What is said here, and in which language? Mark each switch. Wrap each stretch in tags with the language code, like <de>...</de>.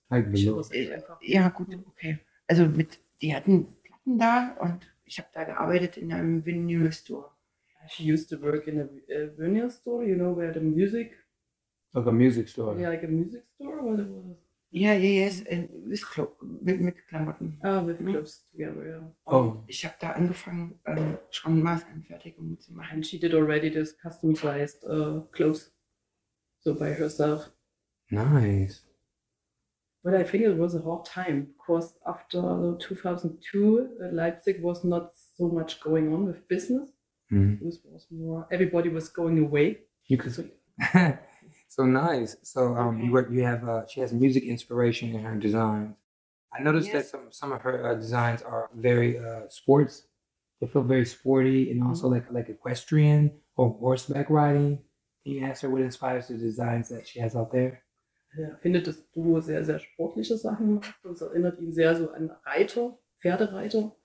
<de>Also mit, die hatten Platten da und ich habe da gearbeitet in einem vinyl store.</de> <en>She used to work in a vinyl store, you know, where the music. Like a music store. Yeah, like a music store. What it was. Yes, and</en> <de>mit Klamotten.</de> <en>Ah, with clothes together, yeah. Oh.</en> <de>Ich habe da angefangen, schon Maßanfertigungen zu machen.</de> <en>And she did already this customized clothes, so by herself. Nice. But I think it was a hard time, because after 2002, Leipzig was not so much going on with business. Mm-hmm. It was more, everybody was going away. You could say. So nice. So she has music inspiration in her designs. I noticed that some of her designs are very sports. They feel very sporty and also like equestrian or horseback riding. Can you ask her what inspires the designs that she has out there?</en> <de>Ja, findet, dass du sehr, sehr sportliche Sachen machst und es erinnert ihn sehr so an Reiter, Pferdereiter.</de>